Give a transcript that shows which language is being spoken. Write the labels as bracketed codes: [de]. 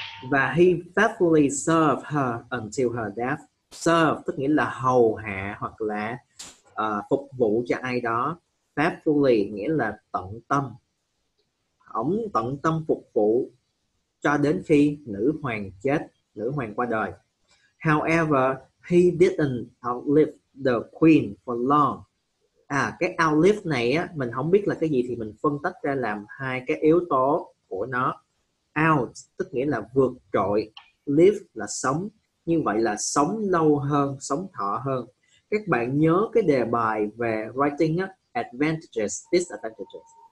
[en] Và he faithfully served her until her death. [vi] Serve tức nghĩa là hầu hạ hoặc là phục vụ cho ai đó. Faithfully nghĩa là tận tâm. Ông tận tâm phục vụ cho đến khi nữ hoàng chết, nữ hoàng qua đời. [en] However, he didn't outlive the queen for long. [vi] Cái outlive này á, mình không biết là cái gì thì mình phân tách ra làm hai cái yếu tố của nó. Out tức nghĩa là vượt trội, live là sống, như vậy là sống lâu hơn, sống thọ hơn. Các bạn nhớ cái đề bài về writing á, advantages, disadvantages.